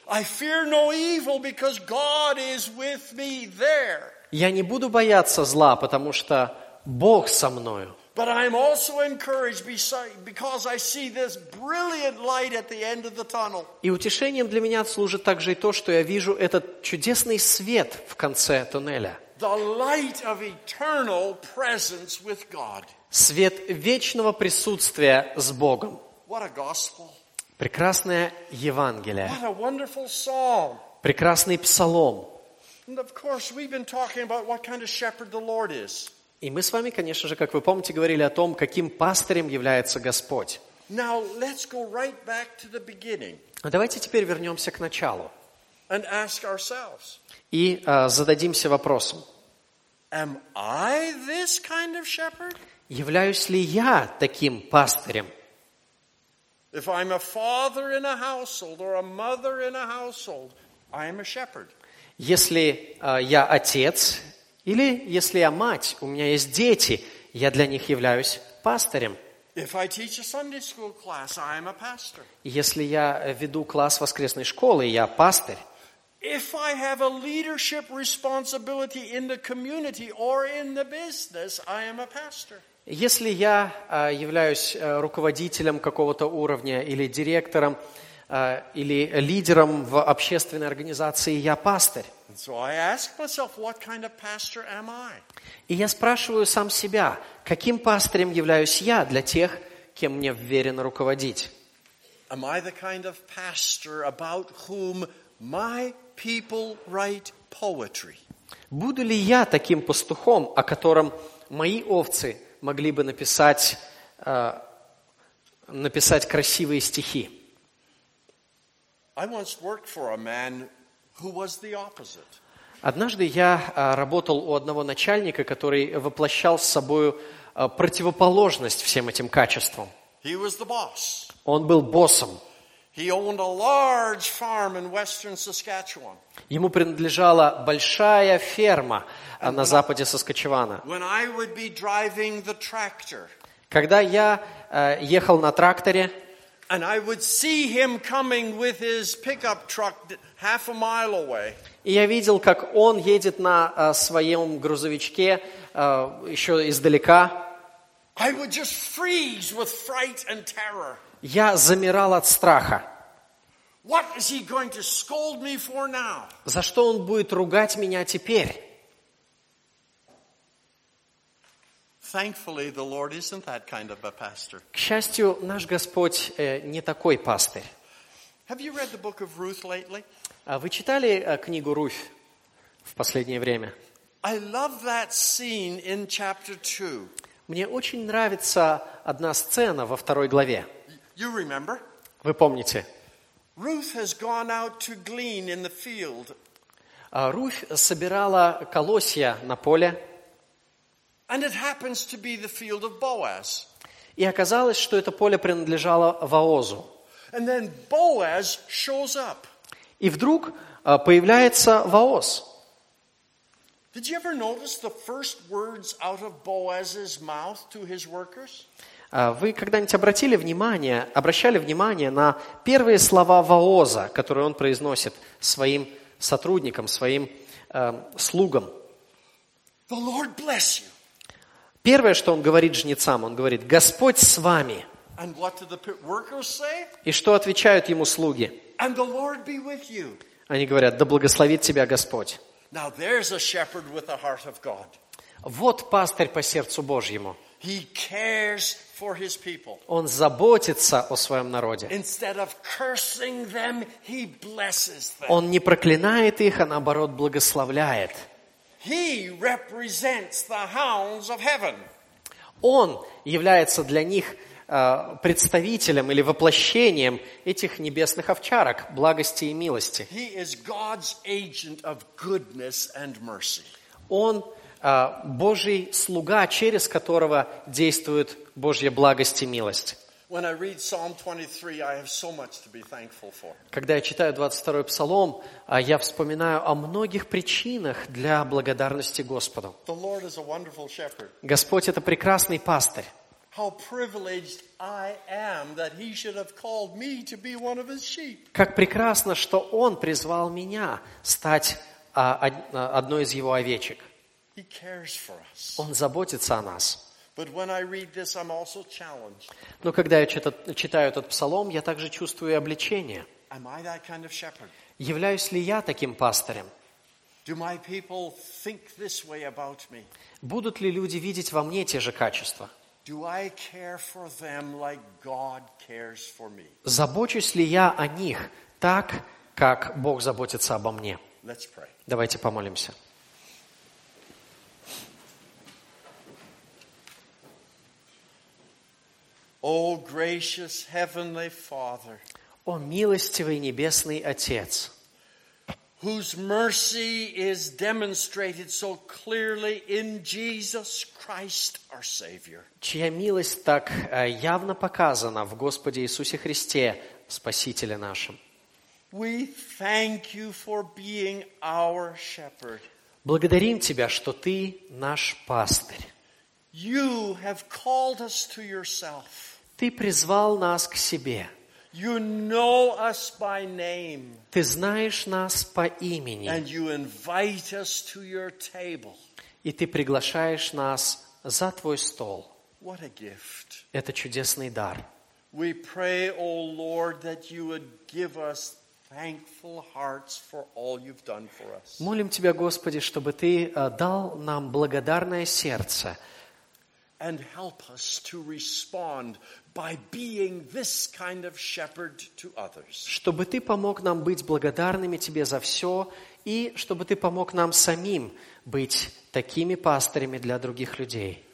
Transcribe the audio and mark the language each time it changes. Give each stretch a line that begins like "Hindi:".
English: I fear no evil because God is with me there.
Russian: Я не буду бояться зла, потому что Бог со мною.
English: But I am also encouraged because I see this brilliant light at the end of the tunnel.
Russian: И утешением для меня служит также и то, что я вижу этот чудесный свет в конце туннеля.
English: The light of eternal presence with God.
Russian: Свет вечного присутствия с Богом.
English: What a gospel.
Russian: Прекрасное Евангелие.
English: What a wonderful psalm.
Russian: Прекрасный псалом.
English: And of course we've been talking about what kind of shepherd the Lord is.
Russian: И мы с вами, конечно же, как вы помните, говорили о том, каким пастырем является Господь.
English: Now, let's go right back to the beginning.
Russian: Давайте теперь вернемся к началу.
English: And ask ourselves.
Russian: И зададимся вопросом.
English: Am I this kind of shepherd?
Russian: Являюсь ли я таким пастырем?
English: If I'm a father in a household or a mother in a household, I am a shepherd.
Russian: Если я отец, или если я мать, у меня есть дети, я для них являюсь пастырем.
English: If I teach a Sunday school class, I am a pastor.
Russian: Если я веду класс воскресной школы, я пастырь.
English: If I have a leadership responsibility in the community or in the business, I am a pastor.
Russian: Если я являюсь руководителем какого-то уровня или директором, или лидером в общественной организации, я пастырь.
English: So I ask myself, what kind of pastor am I?
Russian: И я спрашиваю сам себя, каким пастырем являюсь я для тех, кем мне вверено руководить?
English: Am I the kind of pastor about whom my people write poetry?
Russian: Буду ли я таким пастухом, о котором мои овцы могли бы написать красивые стихи?
English: I once worked for a man who was the opposite.
Russian: Однажды я работал у одного начальника, который воплощал с собой противоположность всем этим качествам.
English: He was the boss.
Russian: Он был боссом.
English: He owned a large farm in western Saskatchewan.
Russian: Ему принадлежала большая ферма на западе Саскачевана.
English: When I would be driving the tractor.
Russian: Когда я ехал на тракторе,
English: and I would see him coming with his pickup truck half a mile away.
Russian: И я видел, как он едет на своем грузовичке еще издалека.
English: I would just freeze with fright and terror.
Russian: Я замирал от страха.
English: What is he going to scold me for now?
Russian: За что он будет ругать меня теперь?
English: Thankfully, the Lord isn't that kind of a pastor.
Russian: К счастью, наш Господь не такой пастырь.
English: Have you read the book of Ruth lately?
Russian: Вы читали книгу Руфь в последнее время?
English: I love that scene in chapter 2.
Russian: Мне очень нравится одна сцена во второй главе.
English: You remember?
Russian: Вы помните?
English: Ruth has gone out to glean in the field.
Russian: Руфь собирала колосья на поле.
English: And it happens to be the field of Boaz.
Russian: И оказалось, что это поле принадлежало Воозу.
English: And then Boaz shows up.
Russian: И вдруг появляется Воос.
English: Did you ever notice the first words out of Boaz's mouth to his workers?
Russian: Вы когда-нибудь обращали внимание на первые слова Воза, которые он произносит своим сотрудникам, своим слугам?
English: The Lord bless you.
Russian: Первое, что он говорит жнецам, он говорит: «Господь с вами».
English: And what do the workers say?
Russian: И что отвечают ему слуги?
English: And the Lord be with you.
Russian: Они говорят: «Да благословит тебя Господь».
English: Now there's a shepherd with the heart of God.
Russian: Вот пастырь по сердцу Божьему.
English: He cares for his people.
Russian: Он заботится о своем народе.
English: Instead of cursing them, he blesses them.
Russian: Он не проклинает их, а наоборот благословляет.
English: He represents the hounds of heaven.
Russian: Он является для них представителем или воплощением этих небесных овчарок благости и милости.
English: He is God's agent of goodness and mercy.
Russian: Он Божий слуга, через которого действует Божья благость и милость.
English: When I read Psalm 23, I have so much to be thankful for.
Russian: Когда я читаю 22-й псалом, я вспоминаю о многих причинах для благодарности Господу.
English: The Lord is a wonderful shepherd.
Russian: Господь — это прекрасный пастырь.
English: How privileged I am that he should have called me to be one of his sheep.
Russian: Как прекрасно, что он призвал меня стать одной из его овечек.
English: He cares for us.
Russian: Он заботится о нас.
English: But when I read this, I'm also challenged.
Russian: Но когда я читаю этот псалом, я также чувствую обличение.
English: Am I that kind of shepherd?
Russian: Являюсь ли я таким пастырем?
English: Do my people think this way about me?
Russian: Будут ли люди видеть во мне те же качества?
English: Do I care for them like God cares for me?
Russian: Забочусь ли я о них так, как Бог заботится обо мне?
English: Let's pray.
Russian: Давайте помолимся.
English: O gracious heavenly Father.
Russian: О милостивый небесный Отец.
English: Whose mercy is demonstrated so clearly in Jesus Christ our Savior.
Russian: Чья милость так явно показана в Господе Иисусе Христе, Спасителе нашем.
English: We thank you for being our shepherd.
Russian: Благодарим тебя, что ты наш пастырь.
English: You have called us to yourself.
Russian: Ты призвал нас к себе.
English: You know us by name.
Russian: Ты знаешь нас по имени.
English: And you invite us to your table.
Russian: И ты приглашаешь нас за твой стол.
English: What a gift.
Russian: Это чудесный дар.
English: We pray, O Lord, that you would give us thankful hearts for all you've done for us.
Russian: Молим тебя, Господи, чтобы ты дал нам благодарное сердце.
English: And help us to respond by being this kind of shepherd to others.
Russian: Чтобы ты помог нам быть благодарными тебе за все, и чтобы ты помог нам самим быть такими пастырями для других людей.